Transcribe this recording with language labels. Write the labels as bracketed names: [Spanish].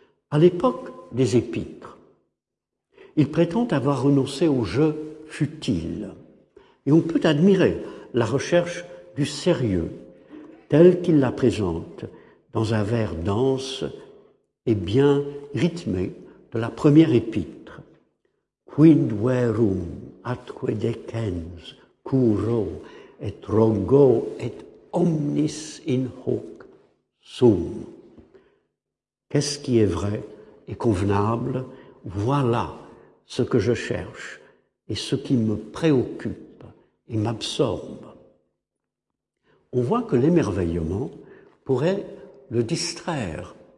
[French] À l'époque des Épîtres, il prétend avoir renoncé au jeu futile, et on peut admirer la recherche du sérieux tel qu'il la présente dans un vers dense et bien rythmé de la première épître. [Latin] Quid verum atque decens curo et rogo et omnis in hoc sum. [French] Qu'est-ce qui est vrai et convenable? Voilà ce que je cherche et ce qui me préoccupe et m'absorbe. On voit que l'émerveillement pourrait le distraire.